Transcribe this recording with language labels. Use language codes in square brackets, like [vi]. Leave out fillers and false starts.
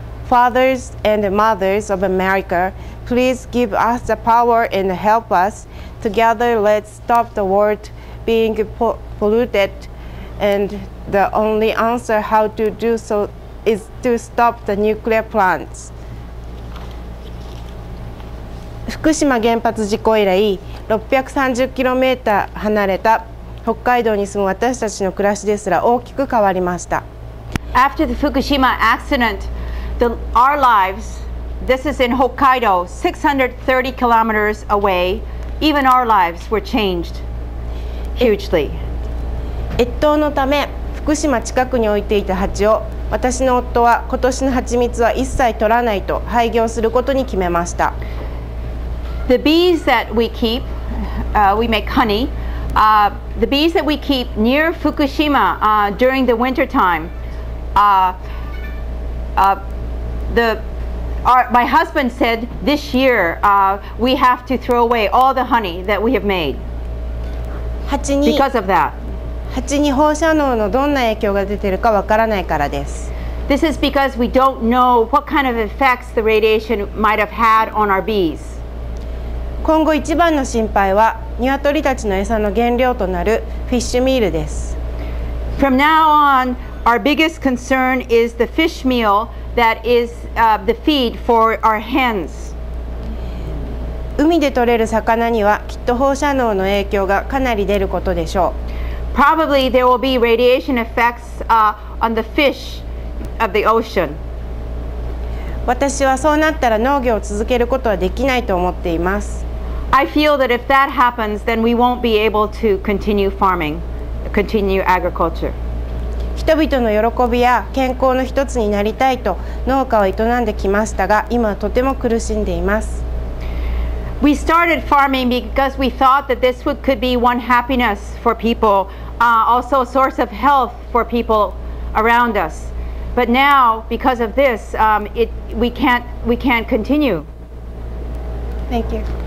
[en] Fathers and mothers of America, please give us the power and help us. Together, let's stop the world being polluted. And the only answer how to do so is to stop the nuclear plants. [ja] 福島原発事故以来、630km 離れた北海道に住む私たちの暮らしですら大きく変わりました。 [en] After the Fukushima accident, our lives, this is in Hokkaido, 630km away, even our lives were changed hugely. [ja] 越冬のため、福島近くに置いていた蜂を、私の夫は今年の蜂蜜は一切取らないと廃業することに決めました。 [en] The bees that we keep, we make honey, the bees that we keep near Fukushima during the winter time, my husband said this year we have to throw away all the honey that we have made because of that. [ja] 蜂に放射能のどんな影響が出てるかわからないからです。 [en] This is because we don't know what kind of effects the radiation might have had on our bees. [ja] 今後一番の心配は、ニワトリたちの餌の原料となるフィッシュミールです。 [en] From now on, our biggest concern is the fish meal that is the feed for our hens. [ja] 海で獲れる魚にはきっと放射能の影響がかなり出ることでしょう。 [en] Probably there will be radiation effects on the fish of the ocean. [ja] 私はそうなったら農業を続けることはできないと思っています。 [en] I feel that if that happens, then we won't be able to continue farming, continue agriculture. [ja] 人々の喜びや健康の一つになりたいと農家を営んできましたが、今はとても苦しんでいます。 [en] We started farming because we thought that this would, could be one happiness for people, also a source of health for people around us. But now, because of this, we can't continue. Thank you.